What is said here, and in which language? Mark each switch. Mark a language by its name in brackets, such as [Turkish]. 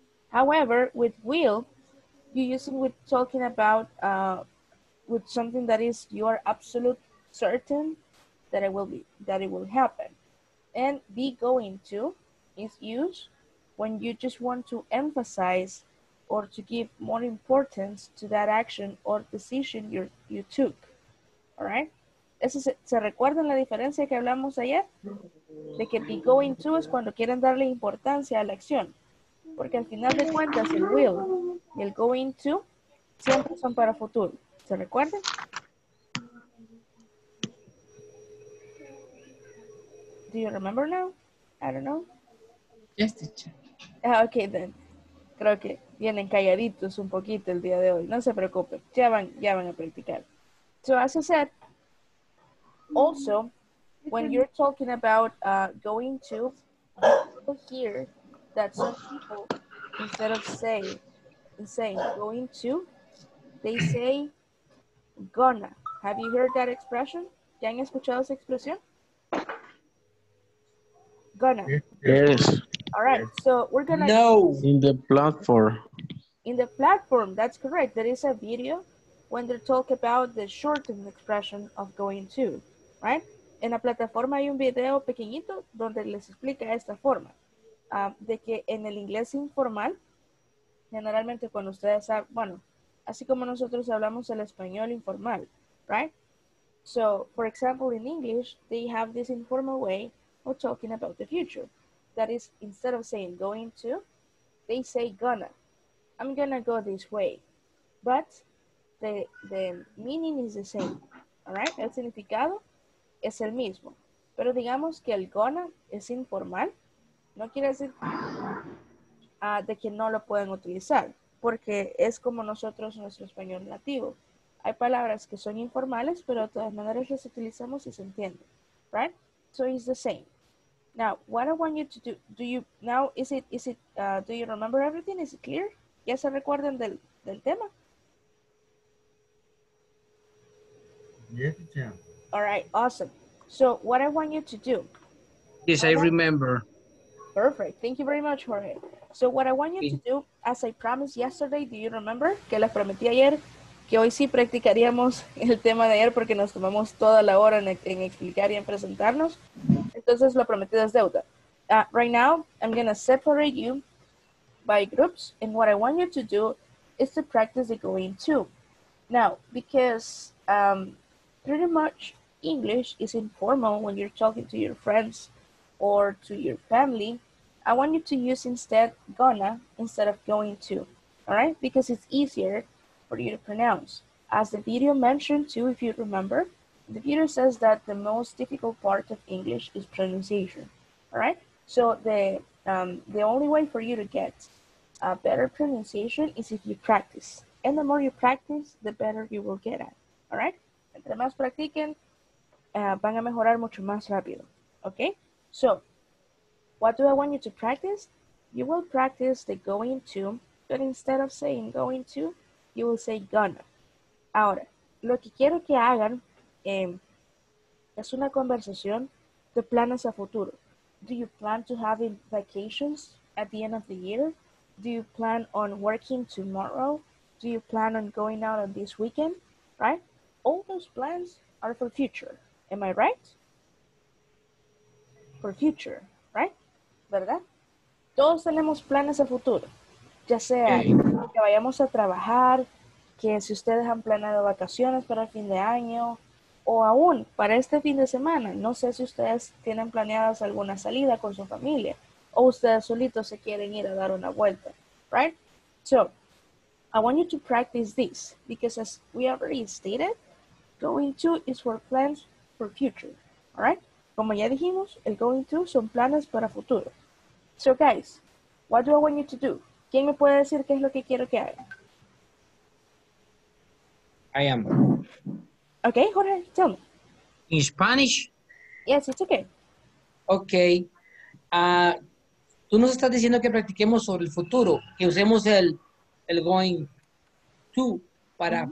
[English] However, with will, you use it with talking about with something that is your absolute certain that it will be, that it will happen. And be going to is used when you just want to emphasize or to give more importance to that action or decision you took, all right? [Spanish] ¿Eso se recuerdan la diferencia que hablamos ayer? De que be going to es cuando quieren darle importancia a la acción. Porque al final de cuentas, el will y el going to siempre son para futuro. ¿Se recuerdan? [English] Do you remember now? I don't know. Yes, teacher. Okay, then. [Spanish] Creo que vienen calladitos un poquito el día de hoy. No se preocupen. Ya van a practicar. [English] So as I said, also, when you're talking about going to, you hear that some people, instead of saying going to, they say gonna. Have you heard that expression? [Spanish] ¿Ya han escuchado esa expresión? [English] Gonna. Yes. All right, so we're gonna- No, in the platform. In the platform, that's correct. There is a video when they talk about the shortened expression of going to, right? [Spanish] En la plataforma hay un video pequeñito donde les explica esta forma. de que en el inglés informal, generalmente cuando ustedes hablan, bueno, así como nosotros hablamos el español informal, right? [English] So, for example, in English, they have this informal way of talking about the future. That is, instead of saying going to, they say gonna. I'm gonna go this way. But the meaning is the same, all right? [Spanish] El significado es el mismo. Pero digamos que el gonna es informal. No quiere decir de que no lo pueden utilizar, porque es como nosotros nuestro español nativo. Hay palabras que son informales, pero de todas maneras las utilizamos y se entiende, right? [English] So it's the same. Now, what I want you to do, do you, now, do you remember everything? Is it clear? [Spanish] ¿Ya se recuerdan del tema? [English] Yes, ma'am. All right, awesome. So what I want you to do. Yes, I remember. Perfect. Thank you very much, Jorge. So what I want you to do, as I promised yesterday, do you remember? [Spanish] Que les prometí ayer que hoy sí practicaríamos el tema de ayer porque nos tomamos toda la hora en explicar y en presentarnos. Entonces, lo prometido es deuda. [English] Right now, I'm going to separate you by groups. And what I want you to do is to practice the going to. Now, because pretty much English is informal when you're talking to your friends or to your family, I want you to use instead gonna instead of going to, all right? Because it's easier for you to pronounce. As the video mentioned too, if you remember, the video says that the most difficult part of English is pronunciation, all right? So the only way for you to get a better pronunciation is if you practice. And the more you practice, the better you will get at, all right? [Spanish] Entre más practiquen, van a mejorar mucho más rápido, okay? [English] So, what do I want you to practice? You will practice the going to, but instead of saying going to, you will say gonna. [Spanish] Ahora, lo que quiero que hagan es una conversación de planes a futuro. [English] Do you plan to have vacations at the end of the year? Do you plan on working tomorrow? Do you plan on going out on this weekend? Right? All those plans are for future. Am I right? For future, right? [Spanish] ¿Verdad? Todos tenemos planes a futuro. Ya sea que vayamos a trabajar, que si ustedes han planeado vacaciones para el fin de año, o aún para este fin de semana. No sé si ustedes tienen planeadas alguna salida con su familia, o ustedes solitos se quieren ir a dar una vuelta, right? [English] So, I want you to practice this, because as we already stated, going to is for plans for future, all right? [Spanish] Como ya dijimos, el going to son planes para futuro. [English] So guys, what do I want you to do? [Spanish] ¿Quién me puede decir qué es lo que quiero que haga? [English] I am. Okay, Jorge, tell me. In Spanish? Yes, it's okay. Okay. [Spanish] Tú nos estás diciendo que practiquemos sobre el futuro, que usemos el going to para mm-hmm.